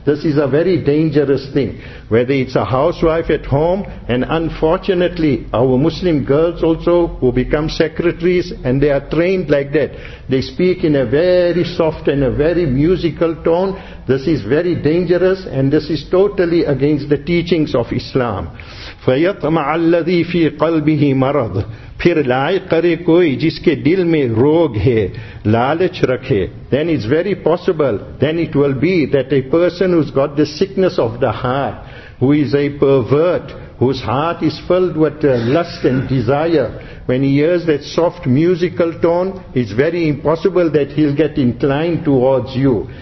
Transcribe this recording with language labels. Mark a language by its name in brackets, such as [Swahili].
[English] This is a very dangerous thing. Whether it's a housewife at home, and unfortunately, our Muslim girls also who become secretaries, and they are trained like that. They speak in a very soft and a very musical tone. This is very dangerous, and this is totally against the teachings of Islam. [Arabic] فَيَطْمَعَ الَّذِي فِي قَلْبِهِ مَرَضٍ [Urdu] پھر لائے کرے کوئی جس کے دل میں روگ ہے لالچ رکھے. [English] Then it's very possible, then it will be that a person who's got the sickness of the heart, who is a pervert, whose heart is filled with lust and desire, when he hears that soft musical tone, it's very impossible that he'll get inclined towards you.